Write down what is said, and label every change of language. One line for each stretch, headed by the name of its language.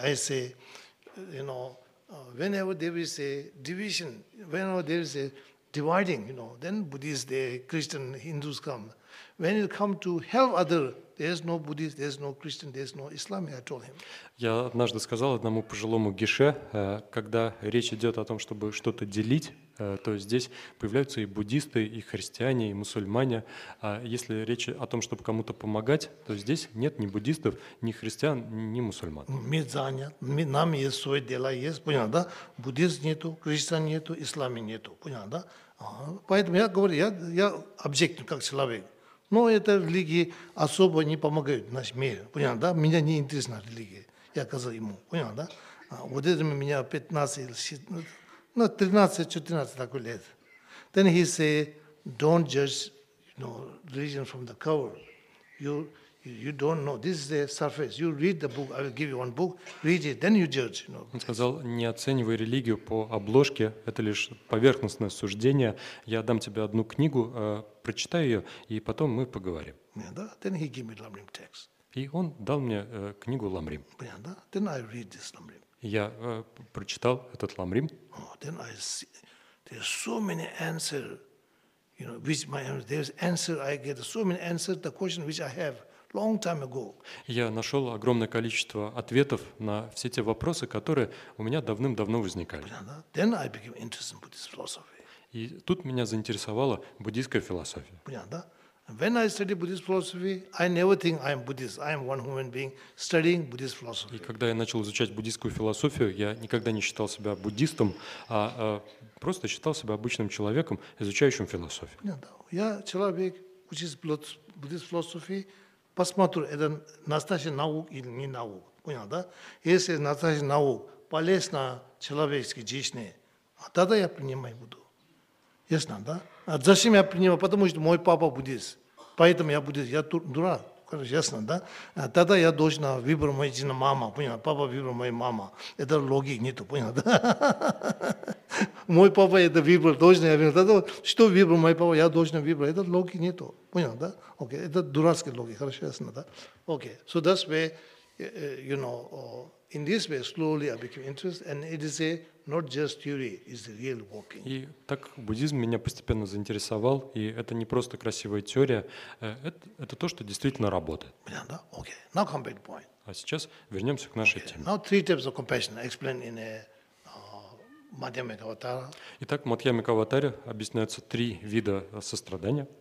English: I say, you know, whenever there is a division, whenever there is a dividing, you know, then Buddhists, Christians, Hindus come. When it comes to help other, there's no Buddhist, there's no Christian, there's no Islam, I told him.
Russian: Я однажды сказал одному пожилому геше, когда речь идет о том, чтобы что-то делить, то здесь появляются и буддисты, и христиане, и мусульмане. А если речь о том, чтобы кому-то помогать, то здесь нет ни буддистов, ни христиан, ни мусульман. Мы заняты, нам есть свои дела, есть, понял, да? Буддист нету, христиан нету, ислама нету, понял, да? Поэтому я говорю, я объективен как человек. Но это религии особо не помогают в нашем мире. Понял, да? Меня не интересует религия. Я сказал ему, понял, да? А вот это у меня 13-14 такой лет.
English: Then he say, don't judge, you know, religion from the cover. You don't know. This is the surface. You read the book. I will give you one book. Read it. Then you judge. You know.
Russian: Он сказал, не оценивай религию по обложке. Это лишь поверхностное суждение. Я дам тебе одну книгу, прочитай ее, и потом мы поговорим.
English: Yeah, да? Then he gave me Lamrim text.
Russian: И он дал мне книгу Ламрим.
English: Yeah, да? Then I read this Lamrim.
Russian: Я прочитал этот Ламрим.
English: Oh, then I see there's so many answers. You know, which my there's answer I get so many answers the question which I have. Long time ago.
Russian: Я нашел огромное количество ответов на все те вопросы, которые у меня давным-давно возникали.
English: Then I became interested in Buddhist philosophy.
Russian: И тут меня заинтересовала буддийская философия.
English: When I study Buddhist philosophy, I never think I am Buddhist. I am one human being studying Buddhist philosophy.
Russian: И когда я начал изучать буддийскую философию, я никогда не считал себя буддистом, а просто считал себя обычным человеком, изучающим философию. Я человек, учит
English: Buddhist philosophy.
Russian: Посмотрю, это настоящий наук или не наук, понял, да? Если настоящий наук полезна человеческой жизни, тогда я принимаю буду. Ясно, да? А зачем я принимаю? Потому что мой папа буддист. Поэтому я буддист. Я дурак, короче, ясно, да? А тогда я должен выбрать мою жену мама, понял? Папа выбрал мою маму. Это логики нету, понял, да? Мой папа это выбрал, должен я выбрать. Тогда что выбрал мой папа, я должен выбрать. Это логики нету. Понял, да? Окей, это дурацкие логи, хорошо, ясно, да?
English: Окей, so that's where, you know, in this way, slowly I became interested, and it is a not just theory, it's a real walking.
Russian: И так буддизм меня постепенно заинтересовал, и это не просто красивая теория, это то, что действительно работает. Понял, да? Окей,
English: now come back to point.
Russian: А сейчас вернемся к нашей теме.
English: Now three types of compassion, explained in a Мадхьямика аватара.
Russian: Итак, в Мадхьямика аватаре объясняются три вида сострадания.